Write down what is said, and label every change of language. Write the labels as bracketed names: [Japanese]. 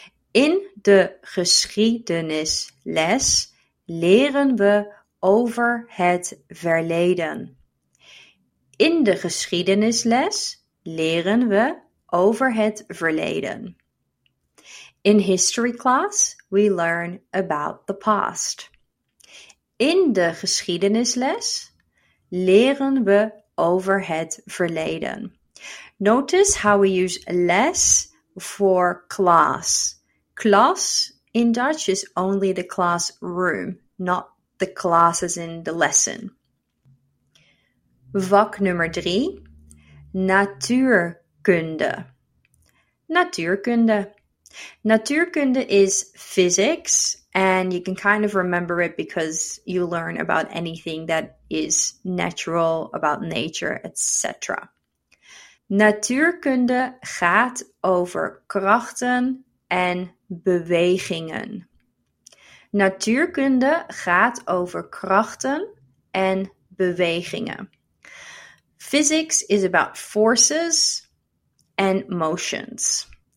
[Dutch] In de geschiedenisles leren we over het verleden. In de geschiedenisles leren we over het verleden. [English] In history class we learn about the past. [Dutch] In de geschiedenisles leren we over het verleden. [English] Notice how we use les for class. Class in Dutch is only the classroom, not the class as in the lesson. [Dutch] Vak nummer 3. Natuurkunde. [English] Natuurkunde. Natuurkunde is physics, and you can kind of remember it because you learn about anything that is natural, about nature, etc. [Dutch] Natuurkunde gaat over krachten en bewegingen. Natuurkunde gaat over krachten en bewegingen. [English] Physics is about forces and motions.